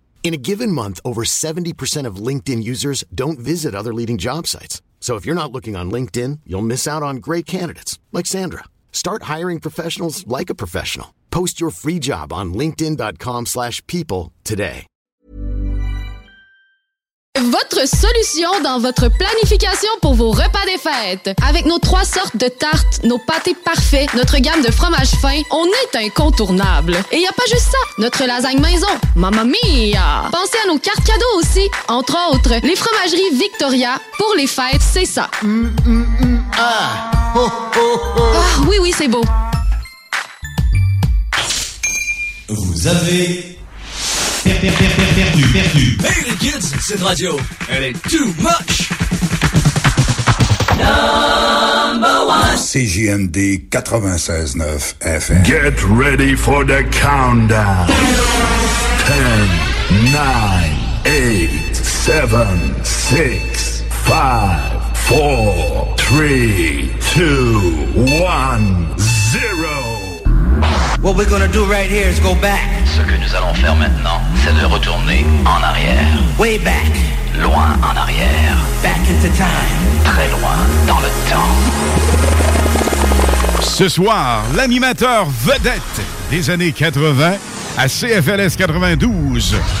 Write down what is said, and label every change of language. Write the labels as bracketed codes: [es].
[en] In a given month, over 70% of LinkedIn users don't visit other leading job sites. So if you're not looking on LinkedIn, you'll miss out on great candidates, like Sandra. Start hiring professionals like a professional. Post your free job on linkedin.com/people today. [fr] Votre solution dans votre planification pour vos repas des fêtes. Avec nos trois sortes de tartes, nos pâtés parfaits, notre gamme de fromages fins, on est incontournable. Et y a pas juste ça, notre lasagne maison, mamma mia! Pensez à nos cartes cadeaux aussi, entre autres, les fromageries Victoria, pour les fêtes, c'est ça. Ah, oui, c'est beau. Vous avez perdu. Hey les kids, cette radio, elle est too much. [en] Number one. CJMD 96.9 FM. Get ready for the countdown. 10, 9, 8, 7, 6, 5, 4, 3, 2, 1, 0. What we're gonna do right here is go back. [fr] Ce que nous allons faire maintenant, c'est de retourner en arrière. [en] Way back. [fr] Loin en arrière. [en] Back into time. [fr] Très loin dans le temps. Ce soir, l'animateur vedette des années 80 à CFLS 92.